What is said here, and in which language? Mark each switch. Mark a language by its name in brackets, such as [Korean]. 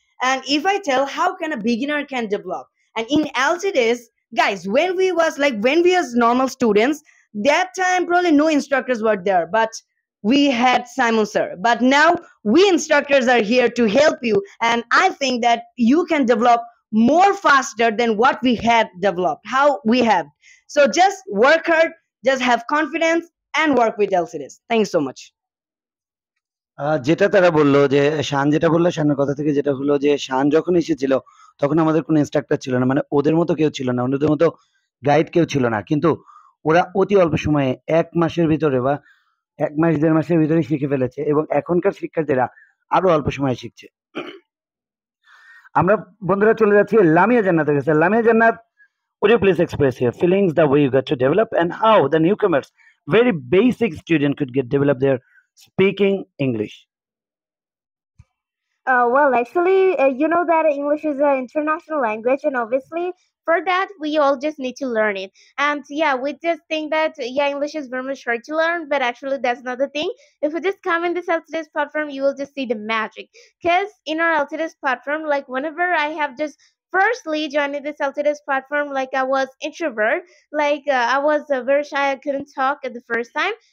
[English] And if I tell how can a beginner can develop, and in LCDS, guys, when we was normal students, that time probably no instructors were there, but we had Simon sir. But now we instructors are here to help you, and I think that you can develop more faster than what we had developed, how we have. So just work hard, just have confidence, and work with LCDS. Thanks so much. [Bangla] যেটা তারা বললো, যে শান যেটা বললো, শানের কথা থেকে যেটা হলো যে শান যখন এসেছিল তখন আমাদের কোনো ইনস্ট্রাক্টর ছিল না, মানে ওদের মতো কেউ ছিল না, ওদের মতো গাইড কেউ ছিল না, কিন্তু ওরা অতি অল্প সময়ে, এক মাসের ভিতরে বা এক মাস দেড় মাসের ভিতরে শিখে ফেলেছে, এবং এখনকার শিক্ষার্থীরা আরো অল্প সময়ে শিখছে। আমরা বন্ধুরা চলে যাচ্ছি লামিয়া জান্নাতের কাছে। [English] Lamia Jannat, would you please express your feelings the way you got to develop and how the newcomers very basic student could get develop their speaking English? Well, actually, you know that English is an international language, and obviously for that we all just need to learn it. And yeah, we just think that yeah, English is very much hard to learn, but actually that's not the thing. If you just come in this LTS platform, you will just see the magic, because in our LTS platform, like whenever I have just firstly joined this LTS platform, like I was introvert, like I was very shy, I couldn't talk at the first time.